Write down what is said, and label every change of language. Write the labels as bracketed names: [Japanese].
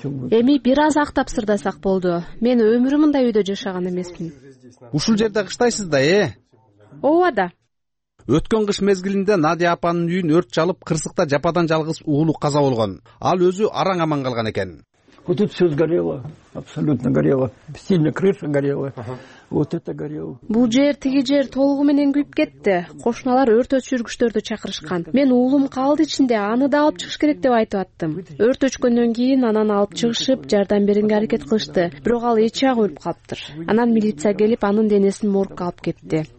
[Kyrgyz] Эми бир аз актап сырдасак болду. Мен өмүрүм мындай үйдө жашаган эмесмин. Ушул жерде кыштайсыз да, э? Ооба да. Өткөн кыш мезгилинде Надя апанын үйүн өрт чалып, кырсыкта жападан жалгыз уулу каза болгон. Ал өзү араң аман калган экен. [Russian] Вот это все сгорело, абсолютно горело. Сильно крыша горела. Вот это горело. [Kyrgyz] Бул жер тиги жер толугу менен күйүп кетти. Кошуналар өрт өчүргүчтөрдү чакырышкан. Мен уулум калды ичинде, аны да алып чыгыш керек деп айтып аттым. Өрт өчкөндөн кийин анан алып чыгышып, жардам бергенге аракет кылышты. Бирок ал эч жагы өлүп калыптыр. Анан милиция келип, анын денесин моргка алып кетти.